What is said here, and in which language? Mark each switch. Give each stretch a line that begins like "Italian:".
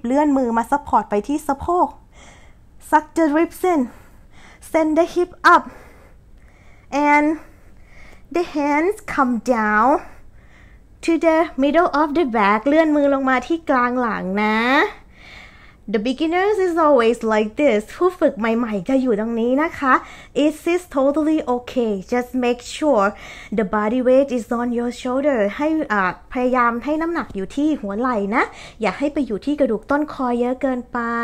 Thai: เลื่อนมือมาซัพพอร์ตไปที่สะโพก
English: Suck the ribs in, send the hip up, and the hands come down to the middle of the back.
Thai: เลื่อนมือลงมาที่กลางหลังนะ
English: The beginners is always like this.
Thai: ผู้ฝึกใหม่ๆจะอยู่ตรงนี้นะคะ
English: It is totally okay. Just make sure the body weight is on your shoulder.
Thai: ให้พยายามให้น้ำหนักอยู่ที่หัวไหล่นะอย่าให้ไปอยู่ที่กระดูกต้นคอเยอะเกินไป